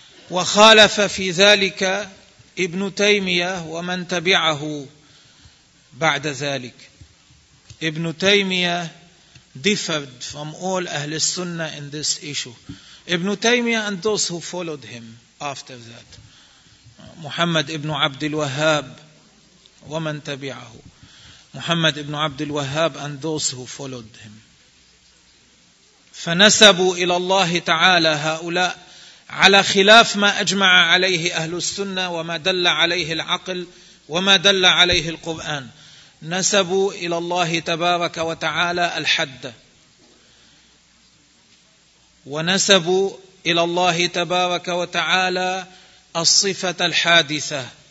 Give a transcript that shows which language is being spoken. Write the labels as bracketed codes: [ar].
[ar] وخالف في ذلك ابن تيمية ومن تبعه بعد ذلك. [en] ابن تيمية differed from all أهل السنة in this issue. ابن تيمية and those who followed him after that. [ar] محمد ابن عبد الوهاب ومن تبعه. [en] محمد ابن عبد الوهاب and those who followed him. [ar] فنسبوا إلى الله تعالى هؤلاء على خلاف ما أجمع عليه أهل السنة وما دل عليه العقل وما دل عليه القرآن. نسبوا إلى الله تبارك وتعالى الحد ونسبوا إلى الله تبارك وتعالى الصفة الحادثة.